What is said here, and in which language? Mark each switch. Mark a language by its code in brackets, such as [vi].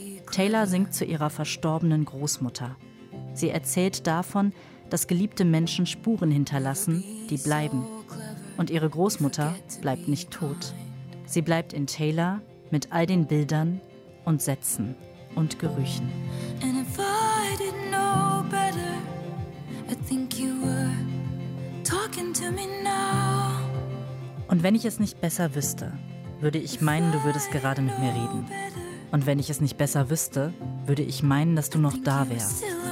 [de] Taylor singt zu ihrer verstorbenen Großmutter. Sie erzählt davon, dass geliebte Menschen Spuren hinterlassen, die bleiben. Und ihre Großmutter bleibt nicht tot. Sie bleibt in Taylor mit all den Bildern und Sätzen und Gerüchen. [en] And if I didn't know better, I think you were talking to me now. [de] Und wenn ich es nicht besser wüsste, würde ich meinen, du würdest gerade mit mir reden. Und wenn ich es nicht besser wüsste, würde ich meinen, dass du noch da wärst.